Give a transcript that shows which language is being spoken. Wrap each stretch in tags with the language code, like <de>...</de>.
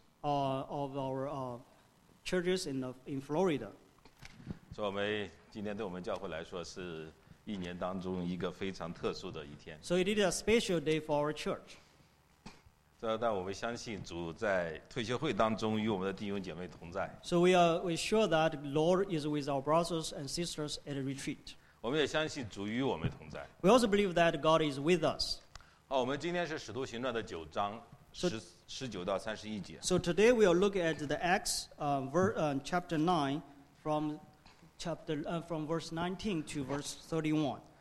<en>of our churches in Florida.</en> <zh>所以我们今天对我们教会来说是一年当中一个非常特殊的一天。</zh> <en>So it is a special day for our church.</en> <zh>但我们相信主在退休会当中与我们的弟兄姐妹同在。</zh> <en>So we sure that Lord is with our brothers and sisters at a retreat.</en> <zh>我们也相信主与我们同在。</zh> <en>We also believe that God is with us.</en> <zh>我们今天是使徒行传的九章十九到三十一节。</zh> <en>So today we will look at the Acts chapter 9 from verse 19 to verse 31.</en>